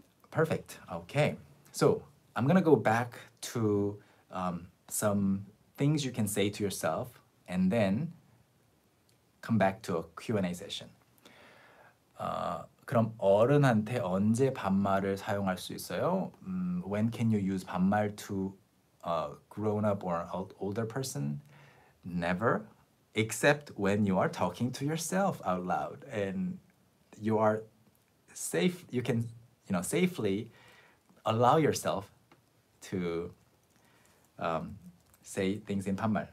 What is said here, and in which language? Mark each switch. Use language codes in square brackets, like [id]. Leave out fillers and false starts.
[en] Perfect. Okay, so I'm gonna go back to some things you can say to yourself, and then come back to a Q&A session. [ko] 그럼 어른한테 언제 반말을 사용할 수 있어요? [en] When can you use 반말 to a grown up or an older person? Never, except when you are talking to yourself out loud and you are safe, you can, you know, safely allow yourself to say things in 반말.